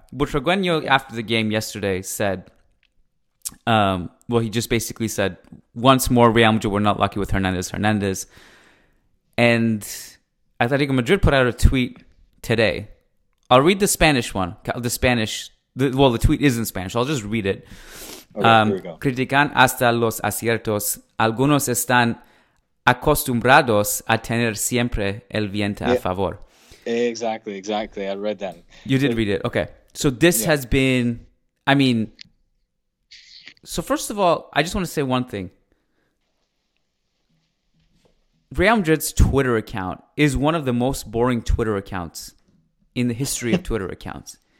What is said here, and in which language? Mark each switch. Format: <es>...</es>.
<en>But Butragueño, after the game yesterday, said, he just basically said, once more, Real Madrid were not lucky with Hernandez. And Atletico Madrid put out a tweet today. I'll read the Spanish one. The tweet is in Spanish. I'll just read it. Okay, here we go.</en> <es>Critican hasta los aciertos. Algunos están acostumbrados a tener siempre el viento a favor.</es> <en>Exactly. I read that. You did read it. Okay. So this has been, I mean, so first of all, I just want to say one thing. Real Madrid's Twitter account is one of the most boring Twitter accounts in the history of Twitter accounts.</en>